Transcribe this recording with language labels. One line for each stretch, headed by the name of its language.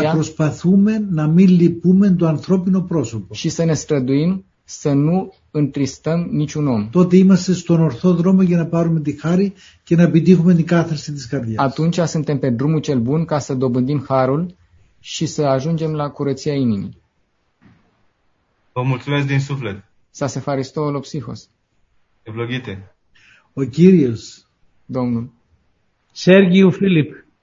Greek: και να προσπαθούμε να μην λυπούμε το ανθρώπινο πρόσωπο.
Romanian: Și să ne străduim să nu întristăm niciun om.
Greek: Τότε είμαστε στον ορθό δρόμο για να πάρουμε τη χάρη και να επιτύχουμε την κάθαρση της καρδιάς.
Romanian: Atunci suntem pe drumul cel bun ca să dobândim harul și să ajungem la curăția inimii. Vă mulțumesc din suflet.
Greek: Să se faristo olopsihos. Ευλογείτε. Ο Κύριος.
Romanian: Domnul. Sergiu Filip.